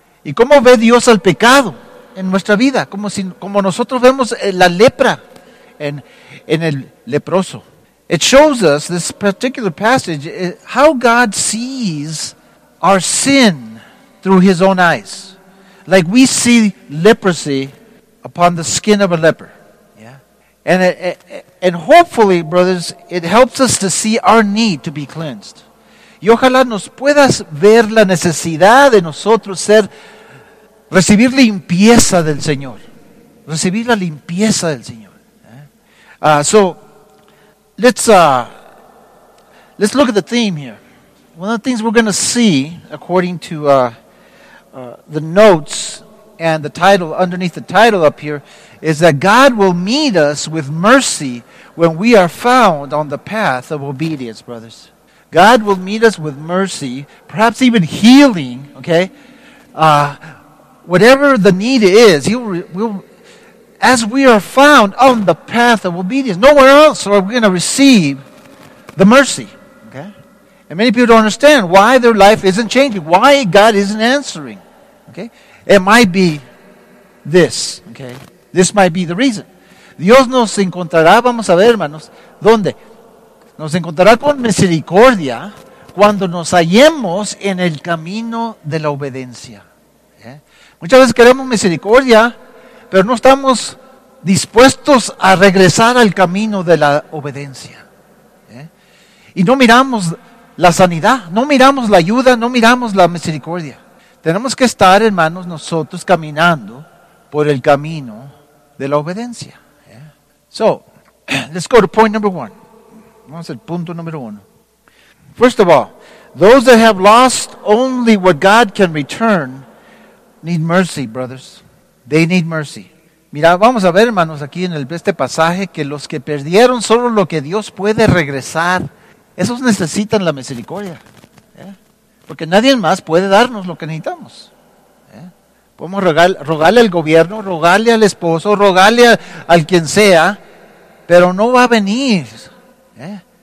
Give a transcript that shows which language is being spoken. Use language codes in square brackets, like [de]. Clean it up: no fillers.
[es] ¿Y cómo ve Dios al pecado en nuestra vida? Como nosotros vemos la lepra en el leproso. [en] It shows us, this particular passage, how God sees our sin through his own eyes. Like we see leprosy upon the skin of a leper. Yeah. And hopefully, brothers, it helps us to see our need to be cleansed. [es] Y ojalá nos puedas ver la necesidad de nosotros ser, recibir limpieza del Señor. Recibir la limpieza del Señor. [en] So, let's look at the theme here. One of the things we're going to see, according to the notes and the title, underneath the title up here, is that God will meet us with mercy when we are found on the path of obedience, brothers. God will meet us with mercy, perhaps even healing, okay? Whatever the need is, as we are found on the path of obedience, nowhere else are we going to receive the mercy. And many people don't understand why their life isn't changing, why God isn't answering. Okay? It might be this. Okay? This might be the reason. [es] Dios nos encontrará, vamos a ver, hermanos, ¿dónde? Nos encontrará con misericordia cuando nos hallemos en el camino de la obediencia. Okay? Muchas veces queremos misericordia, pero no estamos dispuestos a regresar al camino de la obediencia. Okay? Y no miramos la sanidad, no miramos la ayuda, no miramos la misericordia. Tenemos que estar, hermanos, nosotros caminando por el camino de la obediencia. [en] Yeah. So, let's go to point number one. [es] Vamos al punto número uno. [en] First of all, those that have lost only what God can return need mercy, brothers. They need mercy. [es] Mira, vamos a ver, hermanos, aquí en este pasaje, que los que perdieron solo lo que Dios puede regresar, esos necesitan la misericordia, ¿eh? Porque nadie más puede darnos lo que necesitamos, ¿eh? Podemos rogarle al gobierno, rogarle al esposo, rogarle al quien sea, pero no va a venir, ¿eh?